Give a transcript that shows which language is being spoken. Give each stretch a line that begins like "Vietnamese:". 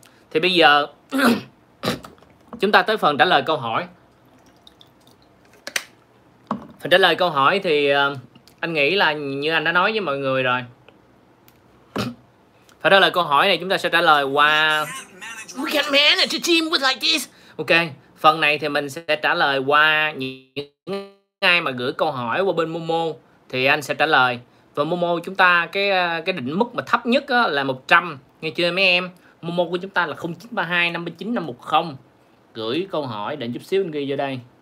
Vietnamese: Thì bây giờ chúng ta tới phần trả lời câu hỏi. Phần trả lời câu hỏi thì Anh nghĩ là như anh đã nói với mọi người rồi. Phải trả lời câu hỏi này chúng ta sẽ trả lời qua
English: We can't manage a team with like this.
Vietnamese: Ok, phần này thì mình sẽ trả lời qua những ai mà gửi câu hỏi qua bên Momo thì anh sẽ trả lời. Và Momo chúng ta cái định mức mà thấp nhất là 100, nghe chưa mấy em? Momo của chúng ta là 0932 59 510. Gửi câu hỏi, đợi chút xíu anh ghi vô đây.